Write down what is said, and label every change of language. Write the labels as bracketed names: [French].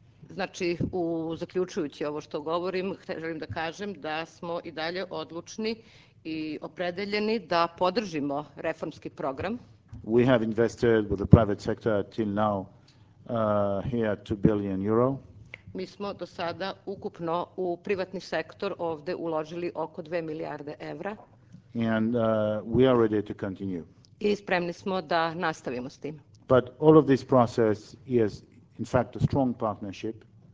[Serbian] Znači, zaključujući ovo što govorim, želim da kažem da smo i dalje odlučni i opredeljeni da podržimo reformski program. [English] We have invested with the private sector till now here 2 billion euro. [Serbian] Mi smo do sada ukupno u privatni sektor ovde uložili oko 2 milijarde evra. [English] And we are ready to continue. [Serbian] I spremni smo da nastavimo s tim. [English] But all of this process is in fact a strong partnership.